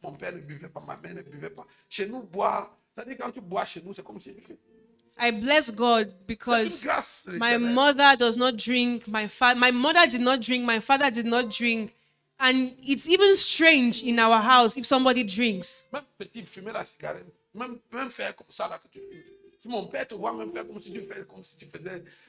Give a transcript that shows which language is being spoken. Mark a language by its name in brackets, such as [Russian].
[French] Mon père ne buvait pas. Ma mère ne buvait pas. Chez nous, boire. C'est-à-dire quand tu bois chez nous, c'est comme si. [English] I bless God because my mother does not drink. My mother did not drink. My father did not drink. And it's even strange in our house if somebody drinks. [French] Même petit, fumer la cigarette. Même faire comme ça là que tu fumes. Si mon père te voit même faire comme si tu fais comme si tu faisais.